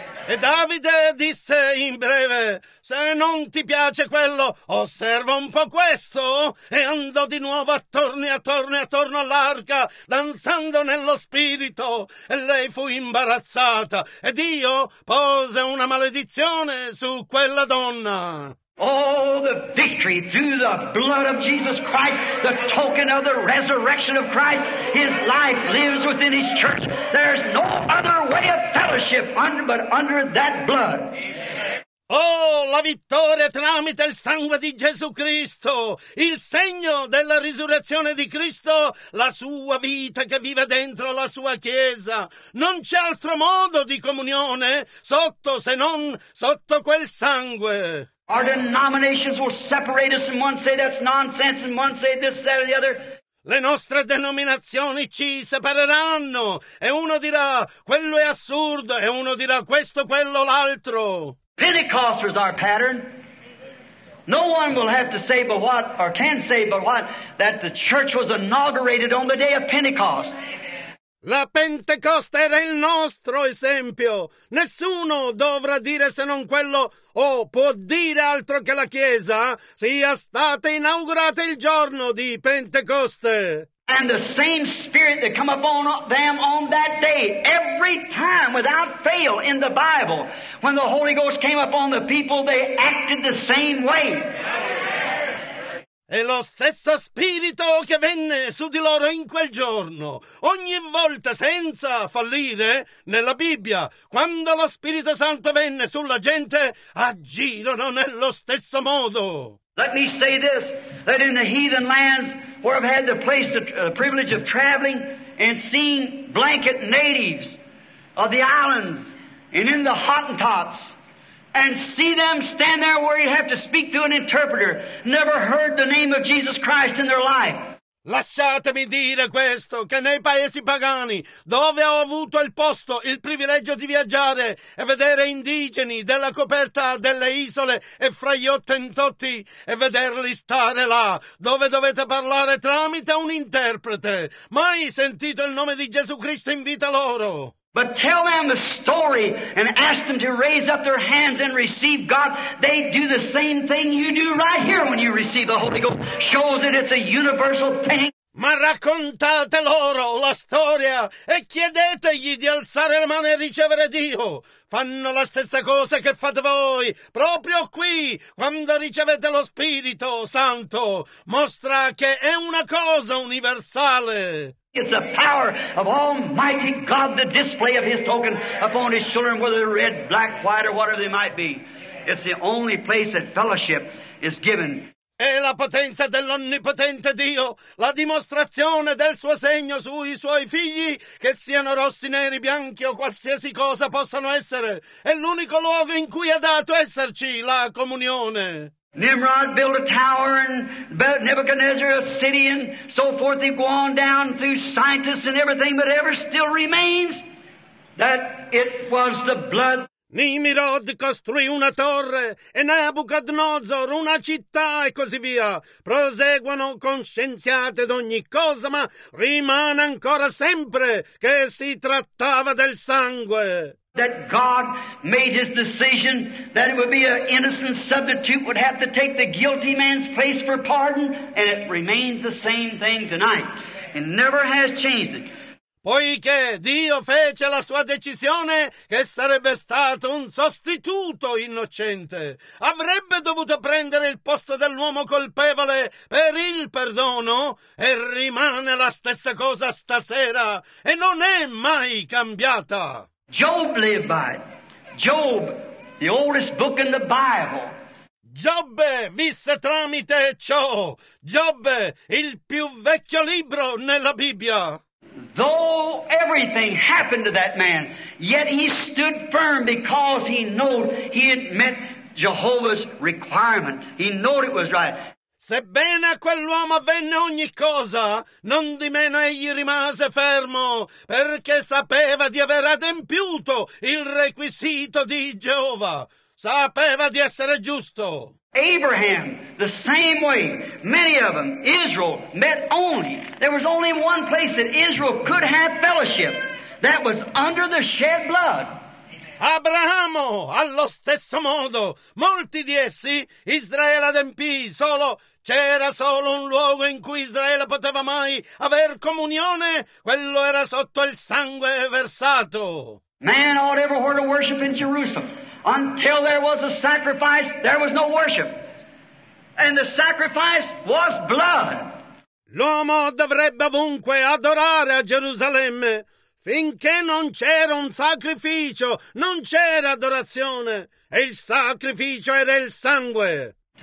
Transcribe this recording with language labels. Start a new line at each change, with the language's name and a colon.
Italian: E Davide disse in breve, se non ti piace quello, osserva un po' questo. E andò di nuovo attorno e attorno e attorno all'arca, danzando nello spirito. E lei fu imbarazzata. E Dio pose una maledizione su quella donna.
English: Oh, the victory through the blood of Jesus Christ, the token of the resurrection of Christ. His life lives within His church. There's no other way of fellowship but under that blood.
Italian: Oh, la vittoria tramite il sangue di Gesù Cristo, il segno della risurrezione di Cristo, la sua vita che vive dentro la sua Chiesa. Non c'è altro modo di comunione sotto se non sotto quel sangue.
English: Our denominations will separate us, and one say that's nonsense, and one say this, that, or the other.
Italian: Le nostre denominazioni ci separeranno, e uno dirà quello è assurdo, e uno dirà questo, quello, l'altro.
English: Pentecost was our pattern. No one will have to say but what, or can say but what, that the church was inaugurated on the day of Pentecost.
Italian: La Pentecoste era il nostro esempio. Nessuno dovrà dire se non quello o può dire altro che la Chiesa sia stata inaugurata il giorno di Pentecoste.
English: And the same spirit that come upon them on that day, every time without fail in the Bible, when the Holy Ghost came upon the people, they acted the same way.
Italian: E lo stesso spirito che venne su di loro in quel giorno, ogni volta senza fallire, nella Bibbia, quando lo Spirito Santo venne sulla gente, agirono nello stesso modo.
English: Let me say this, that in the heathen lands where I've had the privilege of traveling and seeing blanket natives of the islands and in the Hottentots, and see them stand there where you have to speak to an interpreter, never heard the name of Jesus Christ in their life.
Italian: Lasciatemi dire questo, che nei paesi pagani, dove ho avuto il posto, il privilegio di viaggiare e vedere indigeni della coperta delle isole e fra gli ottentotti e vederli stare là, dove dovete parlare tramite un interprete, mai sentito il nome di Gesù Cristo in vita loro.
English: But tell them the story and ask them to raise up their hands and receive God. They do the same thing you do right here when you receive the Holy Ghost. Shows that it's a universal thing.
Italian: Ma raccontate loro la storia e chiedetegli di alzare le mani e ricevere Dio. Fanno la stessa cosa che fate voi, proprio qui, quando ricevete lo Spirito Santo. Mostra che è una cosa universale.
English: It's a power of Almighty God, the display of His token upon His children, whether they're red, black, white, or whatever they might be. It's the only place that fellowship is given.
Italian: È la potenza dell'Onnipotente Dio, la dimostrazione del Suo segno sui Suoi figli, che siano rossi, neri, bianchi o qualsiasi cosa possano essere. È l'unico luogo in cui è dato esserci la comunione.
English: Nimrod built a tower and Nebuchadnezzar a city and so forth. They go on down through scientists and everything, but ever still remains that it was the blood.
Italian: Nimrod costruì una torre e Nebuchadnezzar una città e così via. Proseguono con scienziati ad ogni cosa, ma rimane ancora sempre che si trattava del sangue.
English: That God made His decision that it would be an innocent substitute would have to take the guilty man's place for pardon, and it remains the same thing tonight. It never has changed it.
Italian: Poiché Dio fece la sua decisione che sarebbe stato un sostituto innocente, avrebbe dovuto prendere il posto dell'uomo colpevole per il perdono, e rimane la stessa cosa stasera, e non è mai cambiata.
English: Job lived by it. Job, the oldest book in the Bible.
Italian: Giobbe visse tramite ciò. Giobbe, il più vecchio libro nella Bibbia.
English: Though everything happened to that man, yet he stood firm because he knew he had met Jehovah's requirement. He knew it was right.
Italian: Sebbene a quell'uomo avvenne ogni cosa, non di meno egli rimase fermo, perché sapeva di aver adempiuto il requisito di Geova. Sapeva di essere giusto.
English: Abraham, the same way, many of them, Israel, met only. There was only one place that Israel could have fellowship. That was under the shed blood.
Italian: Abramo, allo stesso modo, molti di essi, Israele adempì, c'era solo un luogo in cui Israele poteva mai aver comunione, quello era sotto il sangue versato.
English: Man ought everywhere to worship in Jerusalem. Until there was a sacrifice, there was no worship. and the sacrifice was blood.
Italian: L'uomo dovrebbe ovunque adorare a Gerusalemme. Finché non c'era un sacrificio, non c'era adorazione. E il sacrificio era il sangue.